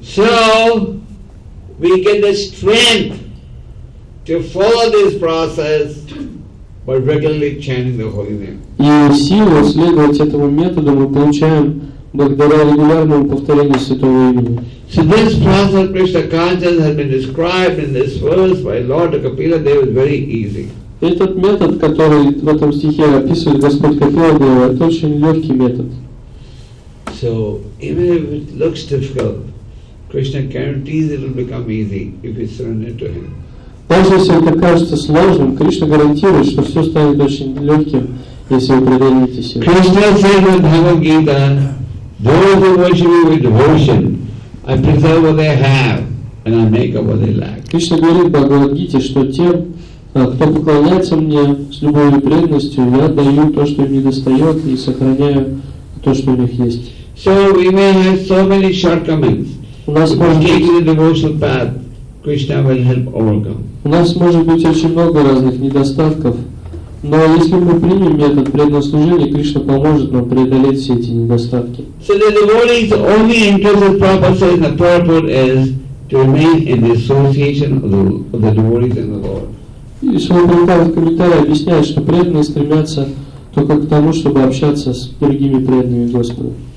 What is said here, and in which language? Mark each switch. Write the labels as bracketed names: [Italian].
[English] So we get the strength to follow this process by regularly chanting the holy name. [Russian] И силу следовать этому методу мы получаем благодаря регулярному повторению святого имени. [English] So this process of Krishna consciousness has been described in this verse by Lord Kapila Deva is very easy. [Russian] Этот метод, который в этом стихе описывает Господь Капила Дева, это очень легкий метод. [English] So, even if it looks difficult, Krishna guarantees it will become easy if you surrender to Him. [Russian] Даже если это кажется сложным, Кришна гарантирует, что все станет очень легким, если вы предадитесь Ему. [English] Krishna says in Bhagavad Gita, those who worship me with devotion, I preserve what they have, and I make up what they lack. [Russian] Кришна говорит в Бхагавад Гите, что тем, кто поклоняется мне с любовью и преданностью, я даю то, что им недостает, и сохраняю то, что у них есть. [English] So we may have so many shortcomings. [Russian] У нас может быть [English] the devotional path, Krishna will help overcome. [Russian] У нас может быть очень много разных недостатков, но если мы примем метод преданного служения, Кришна поможет нам преодолеть все эти недостатки. [English] So the devotee's only interest in purpose and the purpose is to remain in the association of the devotees and the Lord. [Russian] И Шрила Прабхупада в комментарии объясняет, что преданные стремятся только к тому, чтобы общаться с другими преданными Господа.